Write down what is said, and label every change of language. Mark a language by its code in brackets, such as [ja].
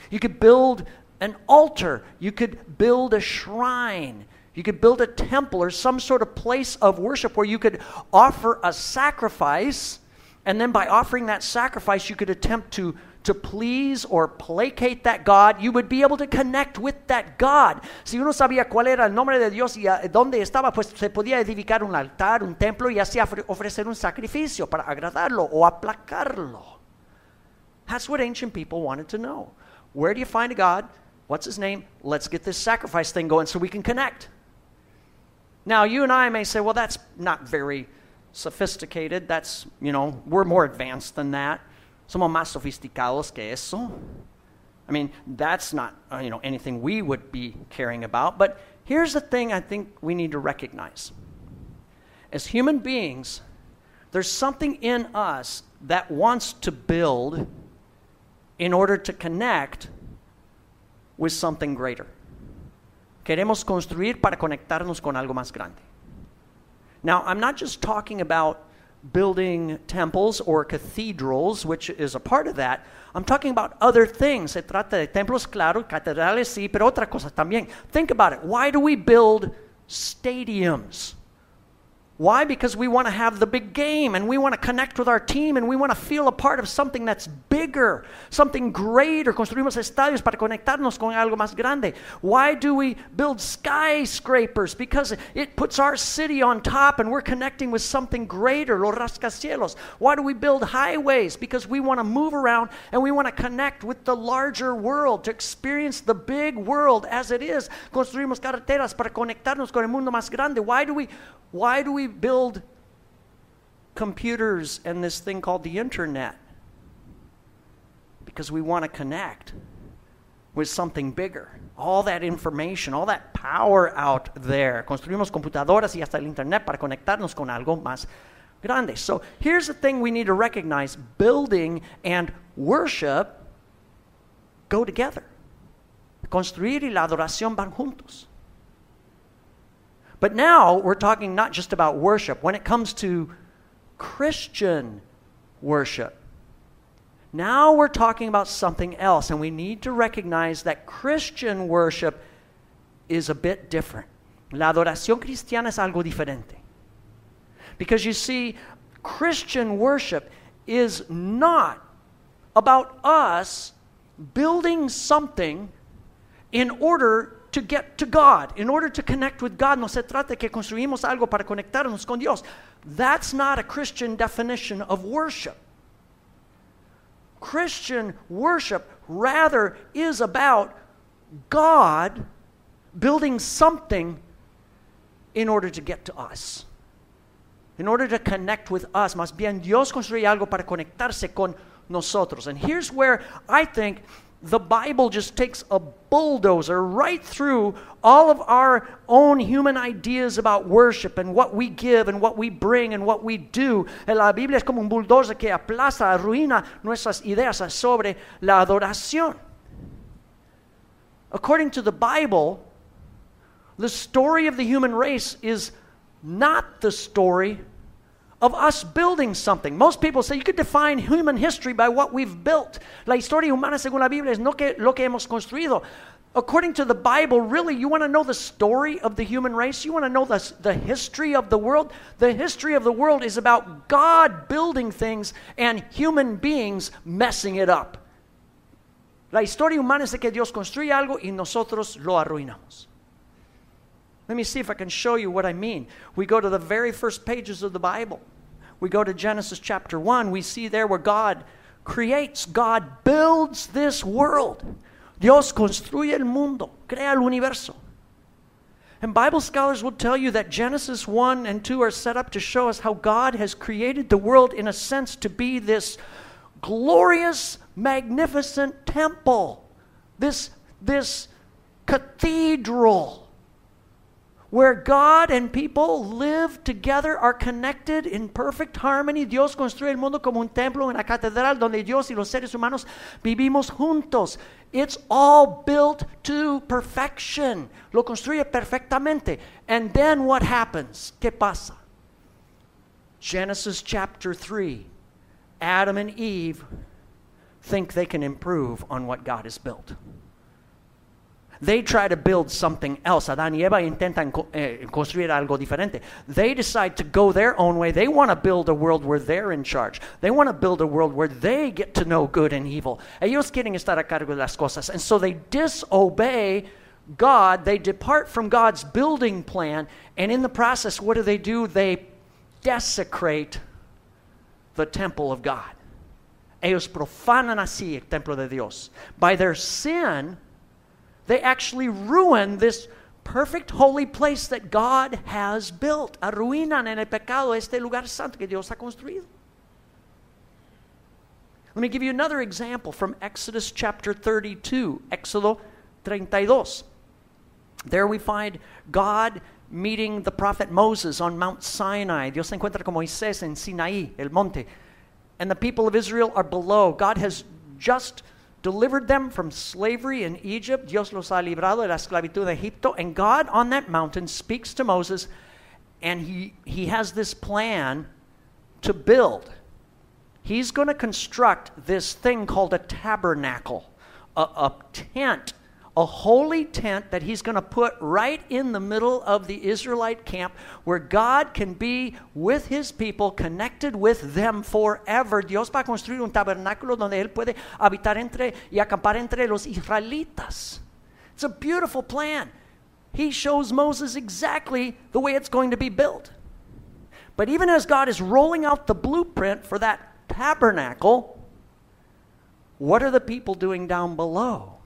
[en] You could build an altar. You could build a shrine. You could build a temple or some sort of place of worship where you could offer a sacrifice. And then by offering that sacrifice, you could attempt to please or placate that God. You would be able to connect with that God. [es] Si uno sabía cuál era el nombre de Dios y dónde estaba, pues se podía edificar un altar, un templo, y así ofrecer un sacrificio para agradarlo o aplacarlo. [en] That's what ancient people wanted to know. Where do you find a God? What's his name? Let's get this sacrifice thing going so we can connect. Now, you and I may say, well, that's not very sophisticated. That's, you know, we're more advanced than that. [es] Somos más sofisticados que eso. [en] I mean, that's not, you know, anything we would be caring about. But here's the thing I think we need to recognize. As human beings, there's something in us that wants to build in order to connect with something greater. [es] Queremos construir para conectarnos con algo más grande. [en] Now, I'm not just talking about building temples or cathedrals, which is a part of that. I'm talking about other things. [es] Se trata de templos, claro, catedrales, sí, pero otra cosa también. [en] Think about it. Why do we build stadiums? Why? Because we want to have the big game and we want to connect with our team and we want to feel a part of something that's bigger, something greater. [es] Construimos estadios para conectarnos con algo más grande. [en] Why do we build skyscrapers? Because it puts our city on top and we're connecting with something greater, [es] los rascacielos. [en] Why do we build highways? Because we want to move around and we want to connect with the larger world, to experience the big world as it is. [es] Construimos carreteras para conectarnos con el mundo más grande. [en] Why do we build computers and this thing called the internet? Because we want to connect with something bigger. All that information, all that power out there. [es] Construimos computadoras y hasta el internet para conectarnos con algo más grande. [en] So here's the thing we need to recognize. Building and worship go together. [es] Construir y la adoración van juntos. [en] But now we're talking not just about worship. When it comes to Christian worship, now we're talking about something else, and we need to recognize that Christian worship is a bit different. [es] La adoración cristiana es algo diferente. [en] Because you see, Christian worship is not about us building something in order to get to God, in order to connect with God. [es] No se trata de que construimos algo para conectarnos con Dios. [en] That's not a Christian definition of worship. Christian worship, rather, is about God building something in order to get to us, in order to connect with us. [es] Más bien, Dios construye algo para conectarse con nosotros. [en] And here's where I think the Bible just takes a bulldozer right through all of our own human ideas about worship and what we give and what we bring and what we do. [es] La Biblia es como un bulldozer que aplasta, arruina nuestras ideas sobre la adoración. [en] According to the Bible, the story of the human race is not the story of us building something. Most people say you could define human history by what we've built. [es] La historia humana según la Biblia es no que lo que hemos construido. [en] According to the Bible, really, you want to know the story of the human race? You want to know the history of the world? The history of the world is about God building things and human beings messing it up. [es] La historia humana es de que Dios construye algo y nosotros lo arruinamos. [en] Let me see if I can show you what I mean. We go to the very first pages of the Bible. We go to Genesis chapter 1. We see there where God creates, God builds this world. [es] Dios construye el mundo, crea el universo. [en] And Bible scholars will tell you that Genesis 1 and 2 are set up to show us how God has created the world in a sense to be this glorious, magnificent temple, this cathedral, where God and people live together, are connected in perfect harmony. [es] Dios construye el mundo como un templo, una catedral, donde Dios y los seres humanos vivimos juntos. [en] It's all built to perfection. [es] Lo construye perfectamente. [en] And then what happens? [es] ¿Qué pasa? [en] Genesis chapter 3. Adam and Eve think they can improve on what God has built. They try to build something else. [es] Adán y Eva intentan construir algo diferente. [en] They decide to go their own way. They want to build a world where they're in charge. They want to build a world where they get to know good and evil. [es] Ellos quieren estar a cargo de las cosas. [en] And so they disobey God. They depart from God's building plan. And in the process, what do? They desecrate the temple of God. [es] Ellos profanan así el templo de Dios. [en] By their sin, they actually ruin this perfect holy place that God has built. [es] Arruinan en el pecado este lugar santo que Dios ha construido. [en] Let me give you another example from Exodus chapter 32. Éxodo 32. There we find God meeting the prophet Moses on Mount Sinai. [es] Dios se encuentra con Moisés en Sinaí, el monte. [en] And the people of Israel are below. God has just delivered them from slavery in Egypt. [es] Dios los ha librado de la esclavitud de Egipto. [en] And God on that mountain speaks to Moses, and he has this plan to build. He's going to construct this thing called a tabernacle, a tent, a holy tent that he's going to put right in the middle of the Israelite camp where God can be with his people, connected with them forever. [es] Dios va a construir un tabernáculo donde él puede habitar entre y acampar entre los israelitas. [en] It's a beautiful plan. He shows Moses exactly the way it's going to be built. But even as God is rolling out the blueprint for that tabernacle, what are the people doing down below?